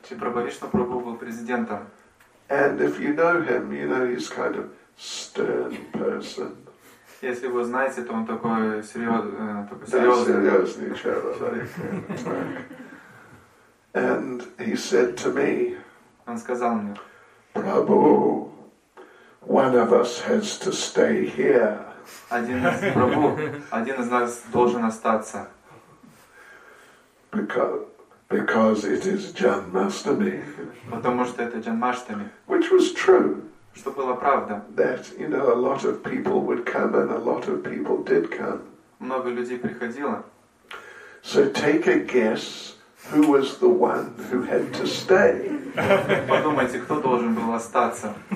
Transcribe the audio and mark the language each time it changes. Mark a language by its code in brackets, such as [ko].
[ru] И Прабху Вишну Прабху был президентом. [en] And if you know him, you know he's kind of stern person. [ru] Если вы знаете, то он такой серьезный. Серьезный человек. [en] And he said to me. [ru] Он сказал мне. [en] Prabhu, one of us has to stay here. [ru] Один из нас должен остаться. [en] Because it is Janmashtami. [ru] Потому что это Джанмаштами. [en] Which was true. [ru] Что было правда. [en] That, you know, a lot of people would come and a lot of people did come. [ru] Много людей приходило. [en] So take a guess who was the one who had to stay. [ru] Подумайте, кто должен был остаться.